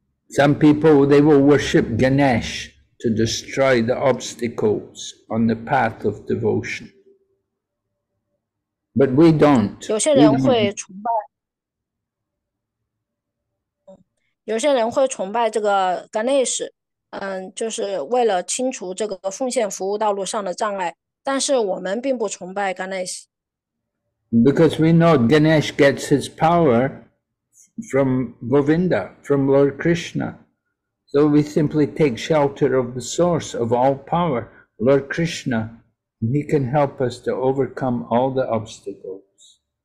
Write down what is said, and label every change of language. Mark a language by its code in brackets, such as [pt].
[en] Some people, they will worship Ganesh to destroy the obstacles on the path of devotion. But we don't. [zh] 有些人会崇拜，有些人会崇拜这个 Ganesh， 就是为了清除这个奉献服务道路上的障碍。但是我们并不崇拜 Ganesh， [en] because we know Ganesh gets his power from Govinda, from Lord Krishna. So we simply take shelter of the source of all power, Lord Krishna. He can help us to overcome all the obstacles.